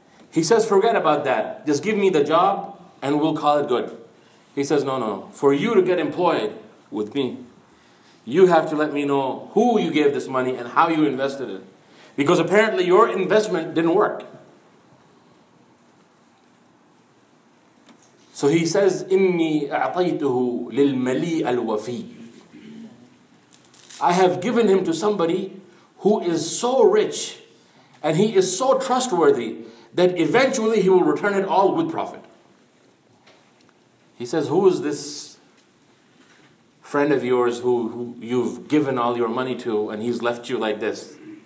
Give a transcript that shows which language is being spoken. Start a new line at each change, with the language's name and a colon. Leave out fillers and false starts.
English: He says, forget about that. Just give me the job and we'll call it good. He says, no, no. For you to get employed with me, you have to let me know who you gave this money and how you invested it. Because apparently your investment didn't work. So he says,
Arabic: إِنِّي أَعْطَيْتُهُ لِلْمَلِيءَ الْوَفِيِّ.
English: I have given him to somebody who is so rich and he is so trustworthy that eventually he will return it all with profit. He says, who is this friend of yours who you've given all your money to and he's left you like this?